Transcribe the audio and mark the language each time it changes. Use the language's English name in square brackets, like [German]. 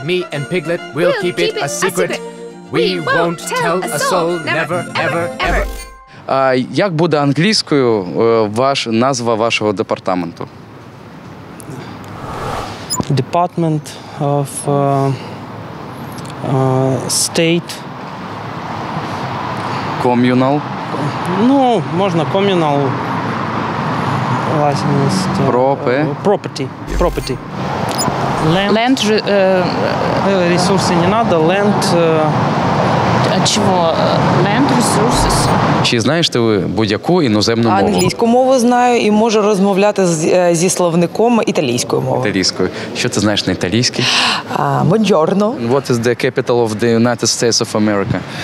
[English] Me and Piglet, we'll keep it a secret. We won't tell a soul, never, ever, ever. [Ukrainian] А як буде англійською назва вашого департаменту? [English] Department of State. Communal. [Ukrainian] Ну, можна communal. Власність. [English] Property. Land. [Ukrainian] Ресурси не надо. Land. [English] Чого? Land resources. [Ukrainian] Чи знаєш ти ви будь-яку іноземну мову? Англійську мову знаю і можу розмовляти зі словником італійською мовою. Італійською. Що ти знаєш на італійській? [Italian] Buongiorno. [English] What is the capital of the United States of America?